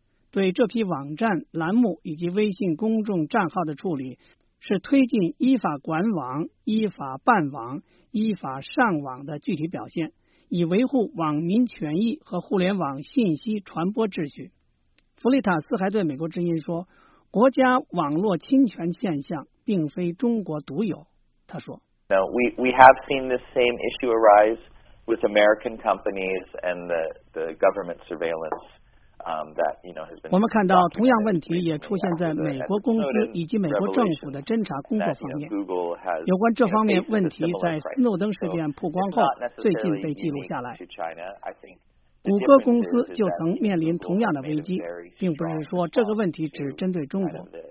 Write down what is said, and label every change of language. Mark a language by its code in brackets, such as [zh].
[zh] 对这批网站栏目以及微信公众账号的处理，是推进依法管网、依法办网、依法上网的具体表现，以维护网民权益和互联网信息传播秩序。弗雷塔斯还对美国之音说，国家网络侵权现象并非中国独有。他说， [en] Now, we have seen this same issue arise with American companies and the government surveillance that you know has been. [zh] 我们看到同样问题也出现在美国公司以及美国政府的侦查工作方面。有关这方面问题在斯诺登事件曝光后，最近被记录下来。谷歌公司就曾面临同样的危机，并不是说这个问题只针对中国。